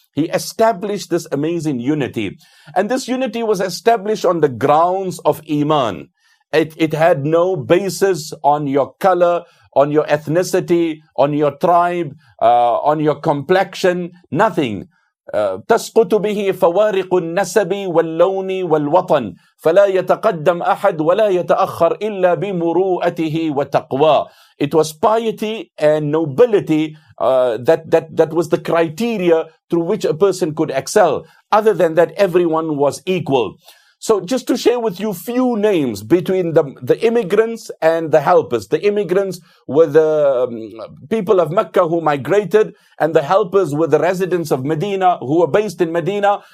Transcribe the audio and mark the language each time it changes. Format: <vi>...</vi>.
<en>He established this amazing unity. And this unity was established on the grounds of Iman. It had no basis on your color, on your ethnicity, on your tribe, on your complexion, nothing.</en> <ar>تسقط به فوارق النسب واللون والوطن فلا يتقدم أحد ولا يتأخر إلا بمروءته وتقوى.</ar> <en>It was piety and nobility that was the criteria through which a person could excel. Other than that, everyone was equal. So just to share with you few names between the immigrants and the helpers. The immigrants were the people of Mecca who migrated, and the helpers were the residents of Medina who were based in Medina.</en>